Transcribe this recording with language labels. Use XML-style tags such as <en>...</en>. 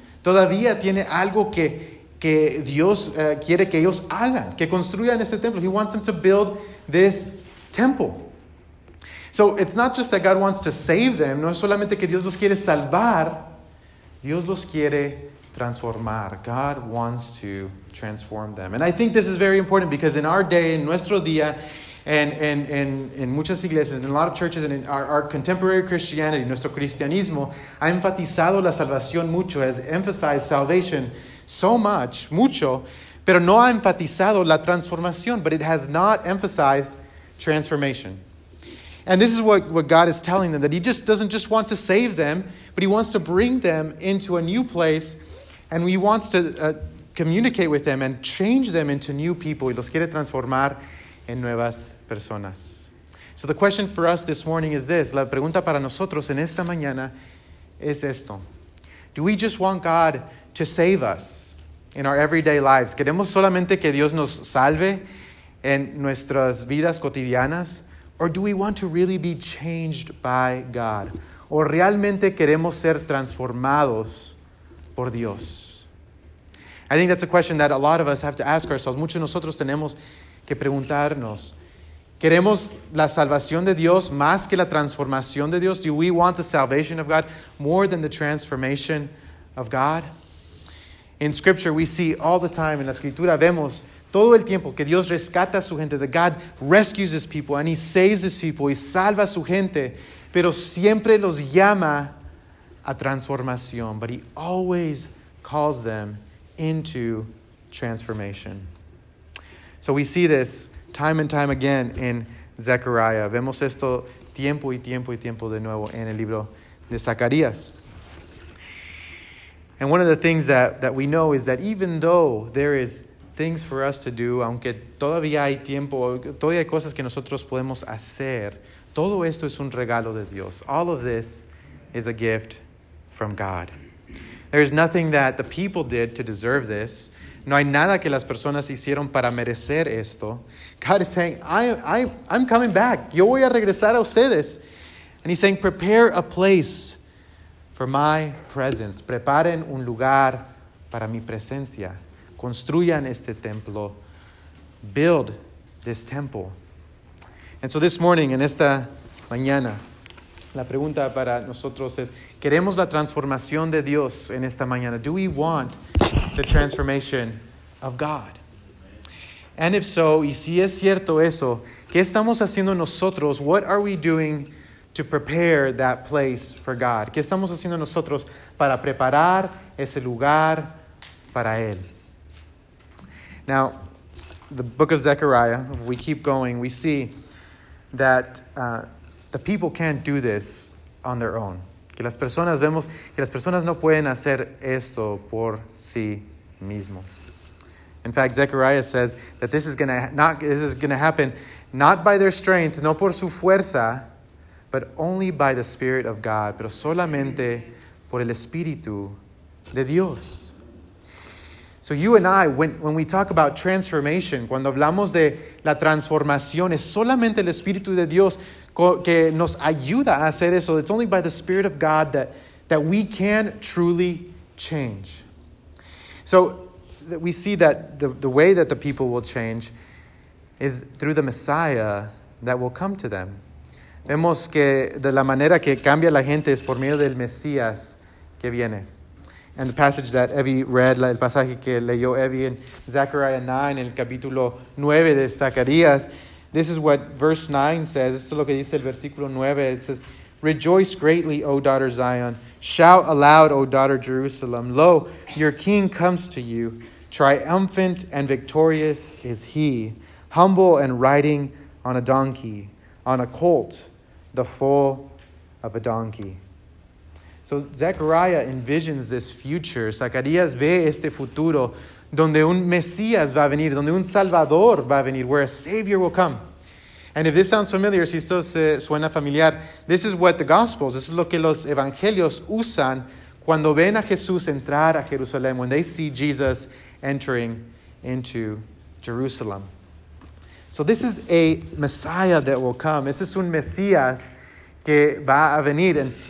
<es>Todavía tiene algo que Dios quiere que ellos hagan, que construyan este templo.</es> <en>He wants them to build this temple. So it's not just that God wants to save them.</en> <es>No es solamente que Dios los quiere salvar. Dios los quiere transformar.</es> <en>God wants to transform them. And I think this is very important because in our day, in</en> <es>nuestro día,</es> <en>and in</en> <es>muchas iglesias,</es> <en>in a lot of churches, and in our contemporary Christianity,</en> <es>nuestro cristianismo, ha enfatizado la salvación mucho,</es> <en>has emphasized salvation so much,</en> <es>mucho, pero no ha enfatizado la transformación,</es> <en>but it has not emphasized transformation. And this is what God is telling them, that he just doesn't just want to save them, but he wants to bring them into a new place, and he wants to communicate with them and change them into new people.</en> <es>Y los quiere transformar en nuevas personas.</es> <en>So the question for us this morning is this.</en> <es>La pregunta para nosotros en esta mañana es esto.</es> <en>Do we just want God to save us in our everyday lives?</en> <es>¿Queremos solamente que Dios nos salve en nuestras vidas cotidianas?</es> <en>Or do we want to really be changed by God?</en> <es>¿O realmente queremos ser transformados por Dios?</es> <en>I think that's a question that a lot of us have to ask ourselves.</en> <es>Muchos de nosotros tenemos que preguntarnos, ¿queremos la salvación de Dios más que la transformación de Dios?</es> <en>Do we want the salvation of God more than the transformation of God?</en> <es>In Scripture, we see all the time,</es> <en>en la Escritura vemos todo el tiempo que Dios rescata a su gente,</en> <es>that God rescues his people</es> <en>and he saves his people, y salva a su gente, pero siempre los llama a transformación,</en> <es>but he always calls them into transformation.</es> <en>So we see this time and time again in Zechariah.</en> <es>Vemos esto tiempo y tiempo y tiempo de nuevo en el libro de Zacarías.</es> <en>And one of the things that we know is that even though there is things for us to do,</en> <es>aunque todavía hay tiempo, todavía hay cosas que nosotros podemos hacer, todo esto es un regalo de Dios.</es> <en>All of this is a gift from God. There is nothing that the people did to deserve this.</en> <es>No hay nada que las personas hicieron para merecer esto.</es> <en>God is saying, I'm coming back.</en> <es>Yo voy a regresar a ustedes.</es> <en>And he's saying, prepare a place for my presence.</en> <es>Preparen un lugar para mi presencia. Construyan este templo.</es> <en>Build this temple. And so this morning,</en> <es>en esta mañana, la pregunta para nosotros es, ¿queremos la transformación de Dios en esta mañana?</es> <en>Do we want the transformation of God? And if so,</en> <es>y si es cierto eso, ¿qué estamos haciendo nosotros?</es> <en>What are we doing to prepare that place for God?</en> <es>¿Qué estamos haciendo nosotros para preparar ese lugar para Él? Now,</es> <en>the book of Zechariah, if we keep going, we see that the people can't do this on their own.</en> <es>Que las personas vemos que las personas no pueden hacer esto por sí mismos.</es> <en>In fact, Zechariah says that this is going to happen not by their strength,</en> <es>no por su fuerza,</es> <en>but only by the Spirit of God,</en> <es>pero solamente por el Espíritu de Dios.</es> <en>So you and I, when we talk about transformation,</en> <es>cuando hablamos de la transformación, es solamente el Espíritu de Dios que nos ayuda a hacer eso.</es> <en>It's only by the Spirit of God that we can truly change. So that we see that the way that the people will change is through the Messiah that will come to them.</en> <es>Vemos que de la manera que cambia la gente es por medio del Mesías que viene.</es> <en>And the passage that Evie read,</en> <es>el pasaje que leyó Evie</es> <en>in Zechariah 9,</en> <es>el capítulo 9 de Zacarías,</es> <en>this is what verse 9 says.</en> <es>Esto es lo que dice el versículo 9.</es> <en>It says, "Rejoice greatly, O daughter Zion. Shout aloud, O daughter Jerusalem. Lo, your king comes to you. Triumphant and victorious is he, humble and riding on a donkey, on a colt, the foal of a donkey." So Zechariah envisions this future.</en> <es>Zacarías ve este futuro donde un Mesías va a venir, donde un Salvador va a venir,</es> <en>where a Savior will come. And if this sounds familiar,</en> <es>si esto suena familiar,</es> <en>this is what the Gospels, this is</en> <es>lo que los Evangelios usan cuando ven a Jesús entrar a Jerusalén,</es> <en>when they see Jesus entering into Jerusalem. So this is a Messiah that will come.</en> <es>Este es un Mesías que va a venir.</es>